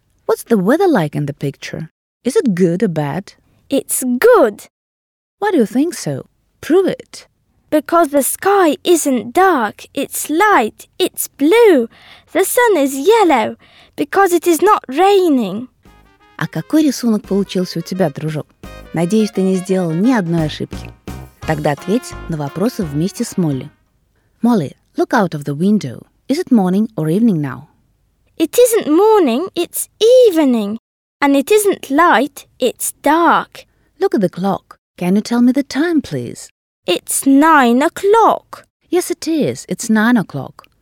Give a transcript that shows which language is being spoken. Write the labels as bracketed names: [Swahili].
[English] What's the weather like in the picture? Is it good or bad? It's good. Why do you think so? Prove it. Because the sky isn't dark, it's light, it's blue. The sun is yellow, because it is not raining. [Russian] А какой рисунок получился у тебя, дружок? Надеюсь, ты не сделал ни одной ошибки. Тогда ответь на вопросы вместе с Молли. [English] Молли, look out of the window. Is it morning or evening now? It isn't morning, it's evening. And it isn't light, it's dark. Look at the clock. Can you tell me the time, please? It's 9 o'clock. Yes, it is. It's 9 o'clock.